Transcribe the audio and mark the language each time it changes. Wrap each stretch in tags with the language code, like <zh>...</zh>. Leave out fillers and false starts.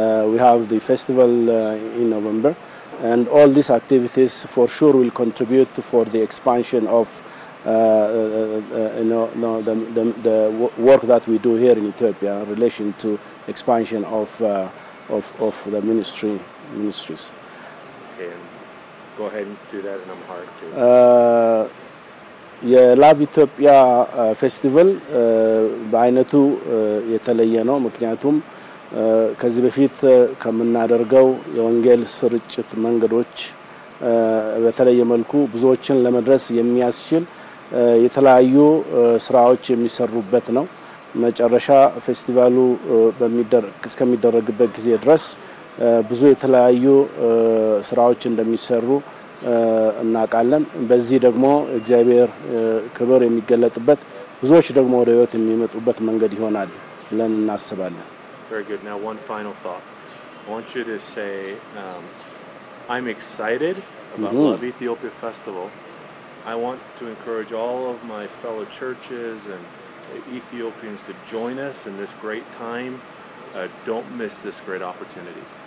<en>we have the festival in November, and all these activities for sure will contribute for the expansion of the work that we do here in Ethiopia in relation to expansion of the ministries. Okay, go ahead and do that in Amharic too.</en> <am>የላቭ ኢትዮጵያ ፌስቲቫል በአይነቱ የተለየ ነው ምክንያቱም ከዚህ በፊት ከምናደርገው የወንጌል ስርጭት መንገዶች በተለየ መልኩ ብዙዎችን ለመድረስ የሚያስችል የተለያዩ ስራዎች የሚሰሩበት ነው. መጨረሻ ፌስቲቫሉ እስከሚደረግበት ጊዜ ድረስ ብዙ የተለያዩ ስራዎች እንደሚሰሩ እናቃለን በዚህ ደግሞ እግዚአብሔር ክብር የሚገለጥበት ብዙዎች ደግሞ ወደ ህይወት የሚመጡበት መንገድ ይሆናል ብለን እናስባለን</am> <en>Very good. Now one final thought. I want you to say I'm excited about mm-hmm. Love Ethiopia Festival. I want to encourage all of my fellow churches and Ethiopians to join us in this great time. Don't miss this great opportunity.</en>